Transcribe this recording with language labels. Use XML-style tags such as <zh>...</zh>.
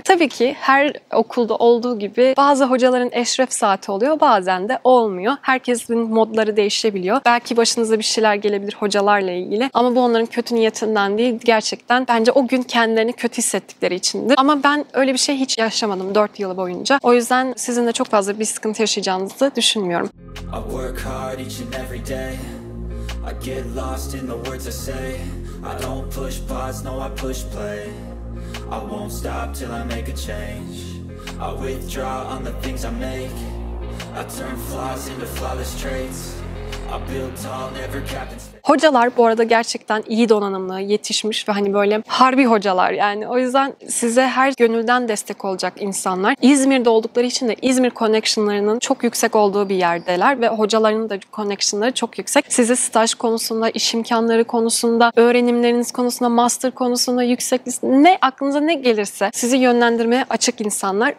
<tr>Tabii ki her okulda olduğu gibi bazı hocaların eşref saati oluyor, bazen de olmuyor. Herkesin modları değişebiliyor. Belki başınıza bir şeyler gelebilir hocalarla ilgili ama bu onların kötü niyetinden değil. Gerçekten bence o gün kendilerini kötü hissettikleri içindir. Ama ben öyle bir şey hiç yaşamadım 4 yılı boyunca. O yüzden sizinle çok fazla bir sıkıntı yaşayacağınızı düşünmüyorum.</tr> <en>I work hard each and every day. I get lost in the words I say. I don't push pause, no, I push play. I won't stop till I make a change. I withdraw on the things I make. I turn flaws into flawless traits. I build tall, never capped in space.</en> <tr>Hocalar bu arada gerçekten iyi donanımlı, yetişmiş ve hani böyle harbi hocalar yani. O yüzden size her gönülden destek olacak insanlar. İzmir'de oldukları için de İzmir connection'larının çok yüksek olduğu bir yerdeler ve hocalarının da connection'ları çok yüksek. Size staj konusunda, iş imkanları konusunda, öğrenimleriniz konusunda, master konusunda, yüksek ne aklınıza ne gelirse sizi yönlendirmeye açık insanlar.</tr>